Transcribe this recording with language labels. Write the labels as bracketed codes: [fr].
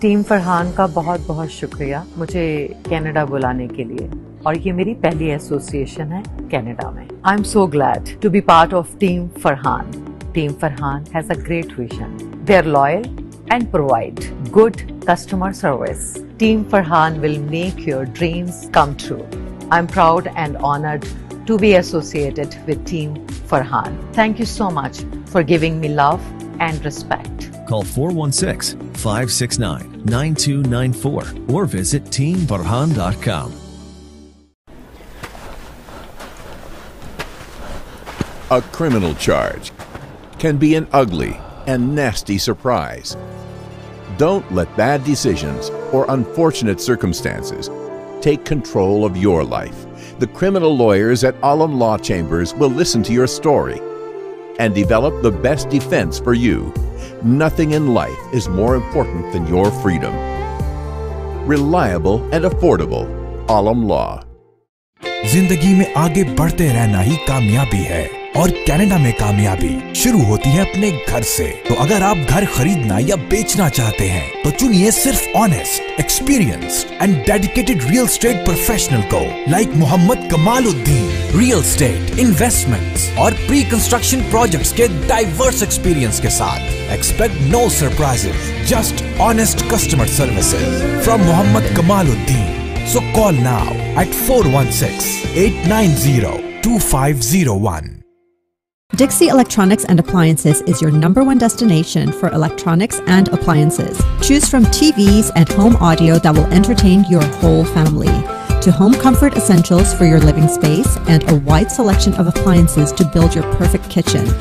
[ur] Team Farhan کا بہت بہت شکریہ مجھے کینیڈا بلانے کے لیے، اور یہ میری پہلی ایسوسی ایشن ہے کینیڈا میں۔ [en] I am so glad to be part of team Farhan. Team Farhan has a great vision, they are loyal and provide good customer service. Team Farhan will make your dreams come true. I'm proud and honored to be associated with Team Farhan. Thank you so much for giving me love and respect. Call 416-569-9294 or visit teamfarhan.com. A criminal charge can be an ugly and nasty surprise. Don't let bad decisions or unfortunate circumstances take control of your life. The criminal lawyers at Alam Law Chambers will listen to your story and develop the best defense for you. Nothing in life is more important than your freedom. Reliable and affordable. Alam Law. [ur] زندگی میں آگے بڑھتے رہنا ہی کامیابی ہے، اور Canada میں کامیابی شروع ہوتی ہے اپنے گھر سے۔ تو اگر آپ گھر خریدنا یا بیچنا چاہتے ہیں تو چنیے صرف [en] honest, experienced and dedicated real estate professional [ur] کو، لائک محمد کمال الدین۔ ریئل اسٹیٹ، انویسٹمنٹس اور پری کنسٹرکشن پروجیکٹس کے ڈائیورس ایکسپیرینس کے ساتھ [en] expect no surprises, just honest customer services from [ur] Muhammad Kamal Uddin. [en] So call now at 416-890-2501. Dixie Electronics and Appliances is your number one destination for electronics and appliances. Choose from TVs and home audio that will entertain your whole family, to home comfort essentials for your living space, and a wide selection of appliances to build your perfect kitchen.